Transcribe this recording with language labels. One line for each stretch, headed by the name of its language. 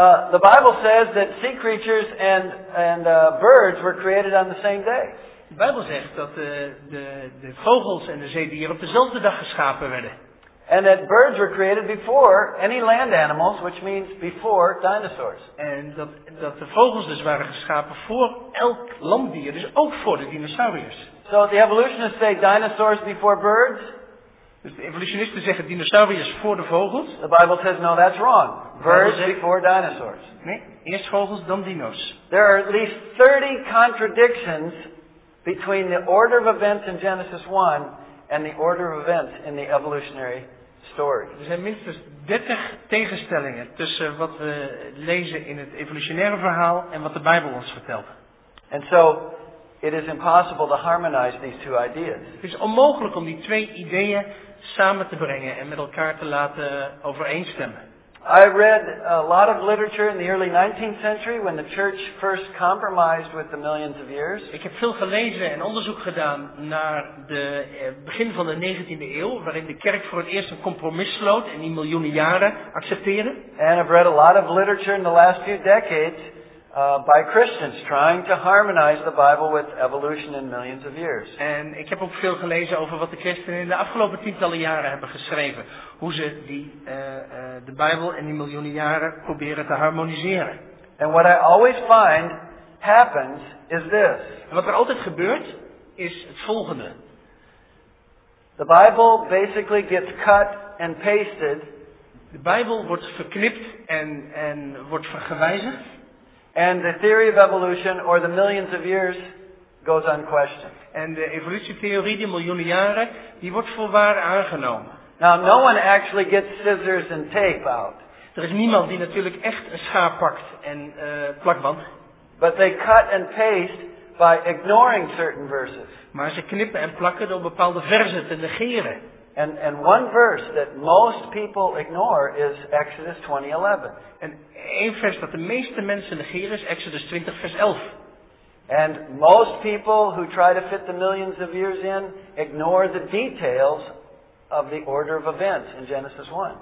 English: The Bible says that sea creatures and birds were created on the same day.
Dutch: De Bijbel zegt dat de vogels en de zeedieren op dezelfde dag geschapen werden.
English: And that birds were created before any land animals, which means before dinosaurs.
Dutch: En dat de vogels dus waren geschapen voor elk landdier, dus ook voor de dinosauriërs.
English: So the evolutionists say dinosaurs before birds.
Dutch: Dus de evolutionisten zeggen dinosauriërs voor de vogels.
English: The Bible says no, that's wrong. Birds before dinosaurs.
Dutch: Nee, eerst vogels dan dino's.
English: There are at least 30 contradictions between the order of events in Genesis 1 and the order of events in the evolutionary story.
Dutch: Er zijn minstens 30 tegenstellingen tussen wat we lezen in het evolutionaire verhaal en wat de Bijbel ons vertelt.
English: And so it is impossible to harmonize these two ideas.
Dutch: Het is onmogelijk om die twee ideeën samen te brengen en met elkaar te laten overeenstemmen.
English: I read a lot of literature in the early 19th century when the church first compromised with the millions of years.
Dutch: Ik heb veel gelezen en onderzoek gedaan naar de begin van de 19e eeuw, waarin de kerk voor het eerst een compromis sloot en die miljoenen jaren accepteerde.
English: And I've read a lot of literature in the last few decades by Christians trying to harmonize the Bible with evolution in millions of years.
Dutch: En ik heb ook veel gelezen over wat de christenen in de afgelopen tientallen jaren hebben geschreven. Hoe ze de Bijbel en die miljoenen jaren proberen te harmoniseren.
English: And what I always find happens is this.
Dutch: En wat er altijd gebeurt is het volgende.
English: The Bible basically gets cut and pasted.
Dutch: De Bijbel wordt verknipt en wordt vergewijzigd.
English: And the theory of evolution, or the millions of years, goes unquestioned.
Dutch: En de evolutietheorie, die miljoenen jaren, die wordt voorwaar aangenomen.
English: Now, no one actually gets scissors and tape out.
Dutch: Er is niemand die natuurlijk echt een schaar pakt en plakband.
English: But they cut and paste by ignoring certain verses.
Dutch: Maar ze knippen en plakken door bepaalde versen te negeren.
English: And one verse that most people ignore is Exodus 20:11.
Dutch: En één vers dat de meeste mensen negeren is Exodus 20 vers 11.
English: And most people who try to fit the millions of years in ignore the details of the order of events in Genesis 1.